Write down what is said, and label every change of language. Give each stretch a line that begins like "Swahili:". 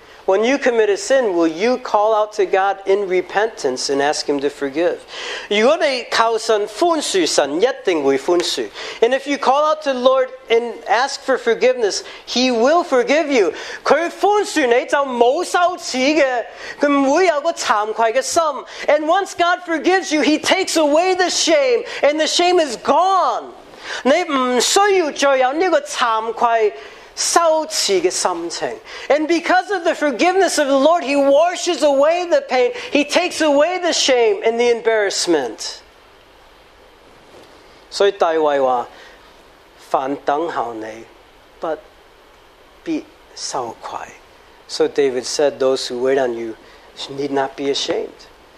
English: When you commit a sin, will you call out to God in repentance and ask Him to forgive?
Chinese: 如果你求神宽恕, 神一定会宽恕。
English: And if you call out to the Lord and ask for forgiveness, He will forgive you.
Chinese: 祂宽恕你就没有羞耻的, 祂不会有个惭愧的心。
English: And once God forgives you, He takes away the shame, and the shame is gone.
Chinese: 你不需要再有这个惭愧羞耻的心情。
English: And because of the forgiveness of the Lord, He washes away the pain, He takes away the shame and the embarrassment.
Chinese: 所以大卫说, 凡等候你, 不必羞愧。
English: So David said, those who wait on you need not be ashamed.